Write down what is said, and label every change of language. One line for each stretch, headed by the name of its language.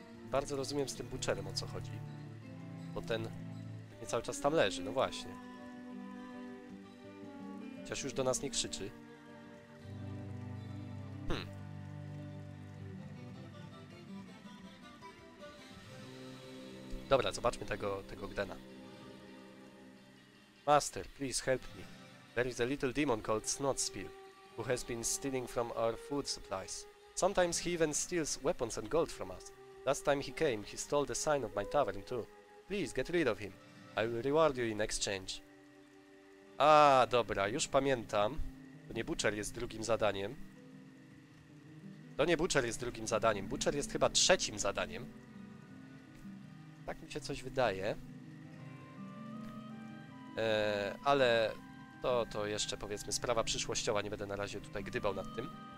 Polish: Bardzo rozumiem z tym Butcherem, o co chodzi. Bo ten nie cały czas tam leży, no właśnie. Chociaż już do nas nie krzyczy. Dobra, zobaczmy tego Ogdena.
English: Master, please help me. There is a little demon called Snotspear, who has been stealing from our food supplies. Sometimes he even steals weapons and gold from us. Last time he came, he stole the sign of my tavern too. Please get rid of him. I will reward you in exchange.
Polish: A, dobra, już pamiętam. To nie Butcher jest drugim zadaniem. To nie Butcher jest drugim zadaniem. Butcher jest chyba trzecim zadaniem. Tak mi się coś wydaje. Ale to jeszcze, powiedzmy, sprawa przyszłościowa. Nie będę na razie tutaj gdybał nad tym.